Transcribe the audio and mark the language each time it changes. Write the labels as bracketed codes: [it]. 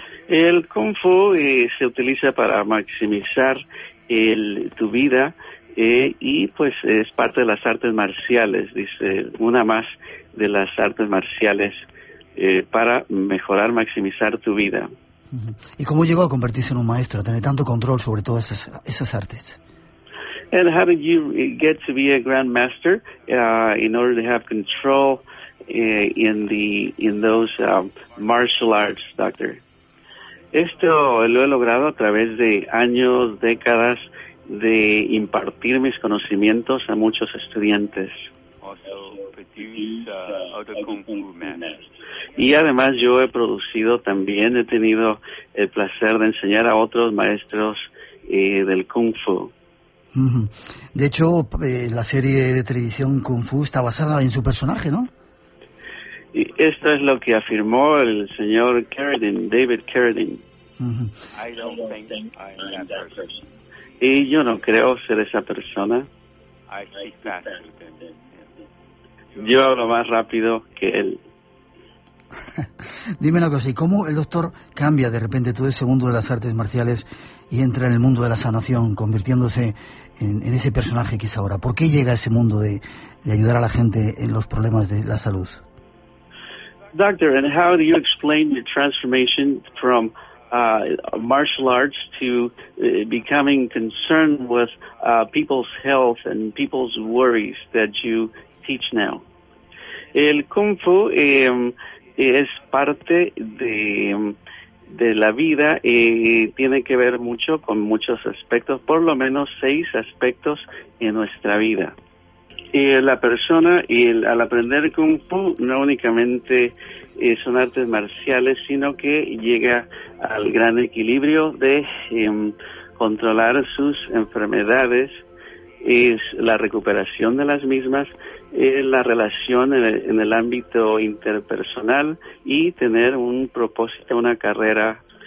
[es] El Kung Fu se utiliza para maximizar tu vida, y pues es parte de las artes marciales, dice, una más de las artes marciales para mejorar, maximizar tu vida. ¿Y cómo llegó a convertirse en un maestro, a tener tanto control sobre todas esas artes? [en] And how did you get to be a grandmaster in order to have control in those martial arts, doctor? [es] Esto lo he logrado a través de años, décadas de impartir mis conocimientos a muchos estudiantes. Y además yo he producido también, he tenido el placer de enseñar a otros maestros del Kung Fu. De hecho, la serie de televisión Kung Fu está basada en su personaje, ¿no? Y esto es lo que afirmó el señor Carradine, David Carradine. [en] I don't think I'm that person. [es] Y yo no creo ser esa persona. Yo hablo más rápido que él. Dime una cosa, ¿y cómo el doctor cambia de repente todo ese mundo de las artes marciales y entra en el mundo de la sanación, convirtiéndose en ese personaje que es ahora? ¿Por qué llega a ese mundo de ayudar a la gente en los problemas de la salud? [en] Doctor, and how do you explain the transformation from martial arts to becoming concerned with people's health and people's worries that you teach now? [es] El Kung Fu es parte de la vida y tiene que ver mucho con muchos aspectos, por lo menos 6 aspectos en nuestra vida. Y la persona, al aprender Kung Fu, no únicamente son artes marciales, sino que llega al gran equilibrio de controlar sus enfermedades, es la recuperación de las mismas, la relación en el ámbito interpersonal y tener un propósito, una carrera.